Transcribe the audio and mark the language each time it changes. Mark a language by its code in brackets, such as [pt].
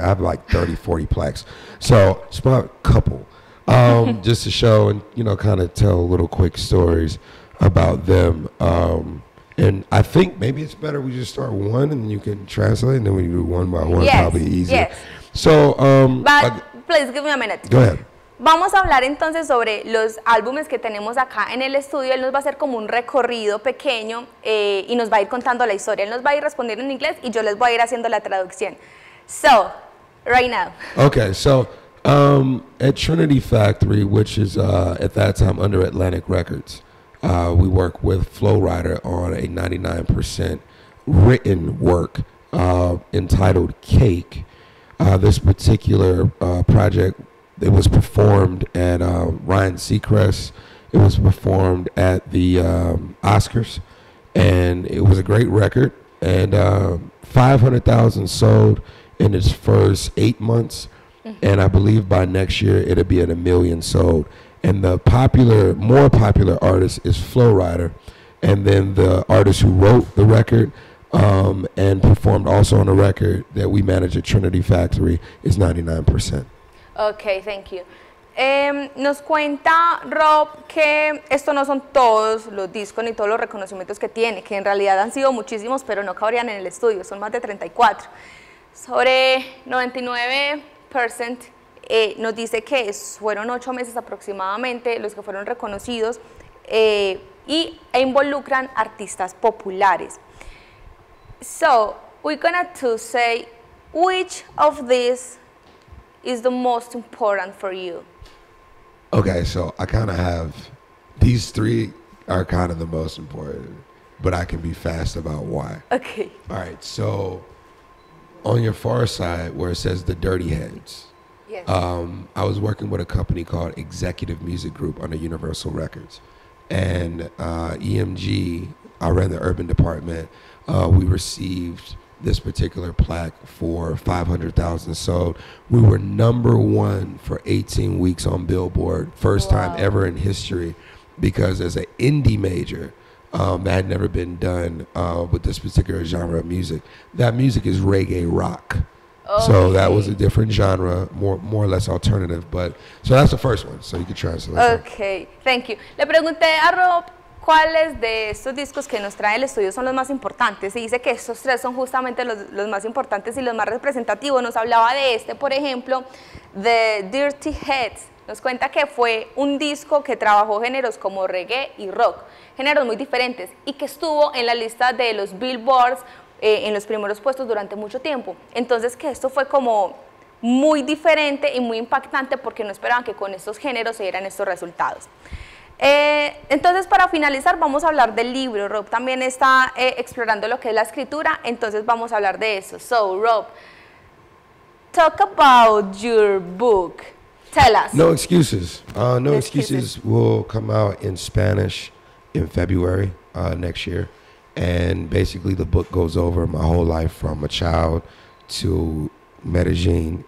[en] I have like 30, 40 plaques. So it's about a couple. just to show and, you know, kind of tell little quick stories about them. And I think maybe it's better we just start one and you can translate and then we do one by one, yes, probably easier. Yes. So, please give me a minute. Go ahead. [es] Vamos a hablar entonces sobre los álbumes que tenemos acá en el estudio. Él nos va a hacer como un recorrido pequeño y nos va a ir contando la historia. Él nos va a ir respondiendo en inglés y yo les voy a ir haciendo la traducción. [en] So, right now. Okay, so at Trinity Factory, which is at that time under Atlantic Records, we work with Flo Rida on a 99% written work entitled Cake. This particular project, it was performed at Ryan Seacrest. It was performed at the Oscars, and it was a great record. And 500,000 sold in its first 8 months, and I believe by next year it'll be at 1 million sold. And the more popular artist is Flo Rida. And then the artist who wrote the record and performed also on a record that we manage at Trinity Factory is 99%. Okay, thank you. [es] Nos cuenta Rob que esto no son todos los discos ni todos los reconocimientos que tiene, que en realidad han sido muchísimos, pero no cabrían en el estudio, son más de 34. Sobre 99%. Nos dice que fueron 8 meses aproximadamente los que fueron reconocidos e involucran artistas populares. [en] So, we're gonna to say, which of these is the most important for you? Okay, so I kind of have, these three are kind of the most important, but I can be fast about why. Okay. All right, so on your far side where it says the Dirty Heads, I was working with a company called Executive Music Group under Universal Records. And EMG, I ran the urban department. We received this particular plaque for 500,000 sold. We were number one for 18 weeks on Billboard, first time ever in history, because as an indie major, that had never been done with this particular genre of music. That music is reggae rock. Okay. So that was a different genre, more or less alternative, but so that's the first one. So you can translate. Okay, thank you. [es] Le pregunté a Rob cuáles de estos discos que nos trae el estudio son los más importantes. Y dice que estos tres son justamente los más importantes y los más representativos. Nos hablaba de este, por ejemplo, The Dirty Heads. Nos cuenta que fue un disco que trabajó géneros como reggae y rock, géneros muy diferentes, y que estuvo en la lista de los Billboards en los primeros puestos durante mucho tiempo. Entonces, que esto fue como muy diferente y muy impactante porque no esperaban que con estos géneros se dieran estos resultados. Entonces, para finalizar, vamos a hablar del libro. Rob también está explorando lo que es la escritura, entonces vamos a hablar de eso. [en] So, Rob, talk about your book. Tell us. No excuses. No excuses will come out in Spanish in February next year. And basically the book goes over my whole life from a child to Medellin.